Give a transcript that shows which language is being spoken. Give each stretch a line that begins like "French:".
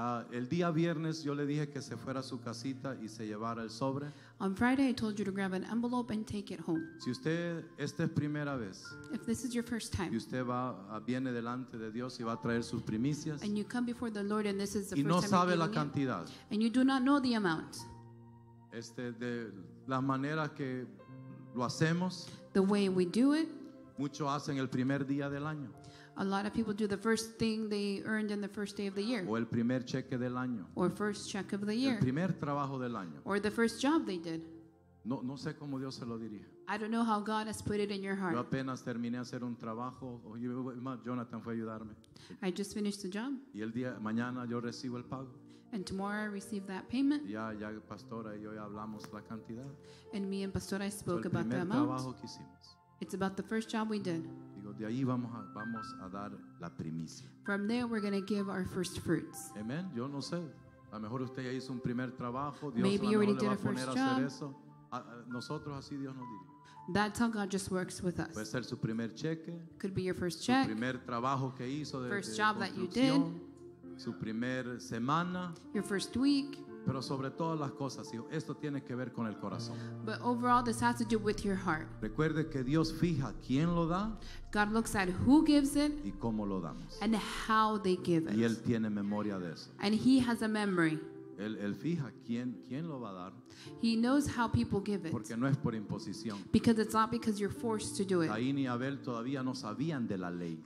Spanish: El día viernes yo le dije que se fuera a su casita y se llevara el sobre.
English: On Friday I told you to grab an envelope and take it home.
Spanish: Si usted esta es primera vez,
English: if this is your first time,
Spanish: y usted va viene delante de Dios y va a traer sus primicias,
English: and you come before the Lord and this is the first time,
Spanish: y no sabe la cantidad,
English: and you do not know the amount,
Spanish: de las maneras que lo hacemos,
English: the way we do it,
Spanish: mucho hacen el primer día del año.
English: A lot of people do the first thing they earned in the first day of the year.
Spanish: O el primer cheque del año.
English: Or first check of the year.
Spanish: El primer trabajo del año.
English: Or the first job they did.
Spanish: No, no sé cómo Dios se lo diría.
English: I don't know how God has put it in your heart.
Spanish: Yo apenas terminé hacer un trabajo. Jonathan fue a ayudarme.
English: I just finished the job.
Spanish: Y el día mañana yo recibo el pago.
English: And tomorrow I receive that payment.
Spanish: Ya, ya Pastora y yo ya hablamos la cantidad.
English: And me and Pastora I spoke
Spanish: el
English: about
Spanish: primer
English: the amount.
Spanish: Trabajo que hicimos.
English: It's about the first job we did.
Spanish: Digo, de ahí vamos a dar la primicia.
English: From there we're going to give our first fruits.
Spanish: Amen. Yo no sé. A lo mejor usted ya hizo un primer trabajo.
English: Dios maybe you already did a first job.
Spanish: Nosotros así Dios nos diría.
English: That's how God just works with us.
Spanish: Puede ser su primer cheque.
English: Could be your first check.
Spanish: Su primer trabajo que hizo de
English: first job that you did.
Spanish: Su primer semana.
English: Your first week.
Spanish: Pero sobre todas las cosas, hijo, esto tiene que ver con el corazón.
English: But overall, this has to do with your heart.
Spanish: Recuerde que Dios fija quién lo da.
English: God looks at who gives it.
Spanish: Y cómo lo damos.
English: And how they give it.
Spanish: Y él tiene memoria de eso.
English: And he has a memory.
Spanish: Él fija quién lo va a dar.
English: He knows how people give it.
Spanish: Porque no es por imposición.
English: Because it's not because you're forced to do it.
Spanish: Caín y Abel todavía no sabían de la ley.